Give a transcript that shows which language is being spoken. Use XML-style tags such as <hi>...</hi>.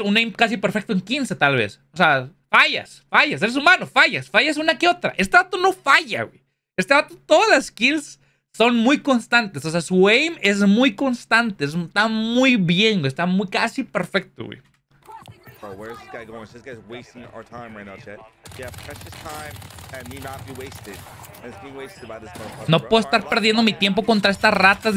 <es>Un aim casi perfecto en 15, tal vez. O sea, fallas. Fallas. Eres humano. Fallas. Fallas una que otra. Este dato no falla, güey. Este vato, todas las kills son muy constantes. O sea, su aim es muy constante. Está muy bien, güey. Está muy casi perfecto, güey.</es> <en>Bro, where is this guy going? This guy's wasting our time right now, chat. Yeah, precious time and need not be wasted. It's being wasted by this motherfucker.</en> <es>No puedo estar perdiendo mi tiempo contra estas ratas.</es>